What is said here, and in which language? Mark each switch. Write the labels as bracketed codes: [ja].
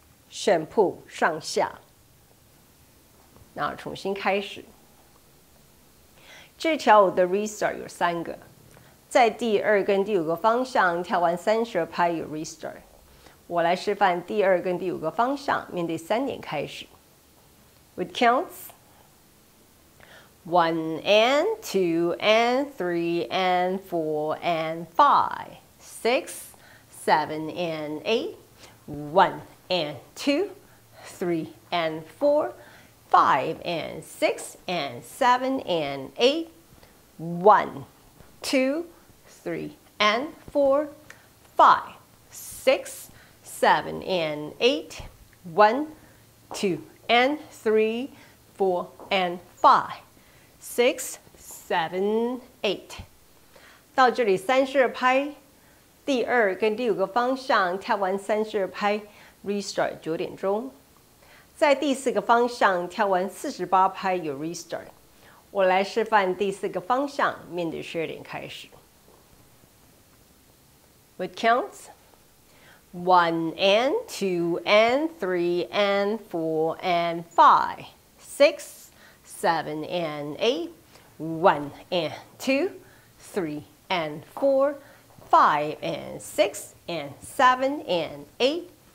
[zh] shampoo 上下，那重新开始。这条舞的 restart 有三个，在第二跟第五个方向跳完三十二拍有 restart。我来示范第二跟第五个方向，面对三点开始。 [en] With counts， one and two and three and four and five six seven and eight one。 And two, three, and four, five, and six, and seven, and eight, one, two, three, and four, five, six, seven, and eight, one, two, and three, four, and five, six, seven, eight. [zh] 到这里三十二拍，第二跟第五个方向跳完三十二拍。 restart 九点钟，在第四个方向跳完四十八拍有 restart。我来示范第四个方向，面对十二点开始。 [en] With counts， one and two and three and four and five six seven and eight one and two three and four five and six and seven and eight。